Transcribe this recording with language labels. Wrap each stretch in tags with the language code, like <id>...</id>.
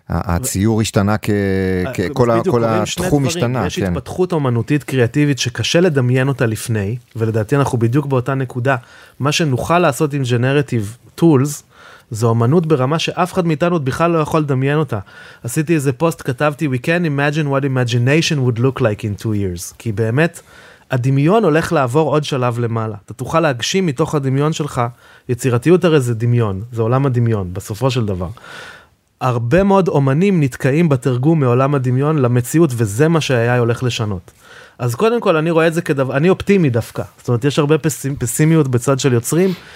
<he>הציור השתנה כל התחום השתנה. יש התפתחות אומנותית קריאטיבית שקשה לדמיין אותה לפני, ולדעתי אנחנו בדיוק באותה נקודה. מה שנוכל לעשות עם Generative Tools, זו אומנות ברמה שאף אחד מאיתנו בכלל לא יכול לדמיין אותה. עשיתי איזה פוסט, כתבתי,</he> <en>We can imagine what imagination would look like in 2 years.</en> <he>כי באמת... הדמיון הולך לעבור עוד שלב למעלה. אתה תוכל להגשים מתוך הדמיון שלך, יצירתיות הרי זה דמיון, זה עולם הדמיון, בסופו של דבר. הרבה מאוד אומנים נתקעים בתרגום מעולם הדמיון למציאות, וזה מה שה-AI הולך לשנות. אז קודם כל, אני רואה את זה כדבר, אני אופטימי דווקא. זאת אומרת, יש הרבה פסימיות בצד של יוצרים.</he>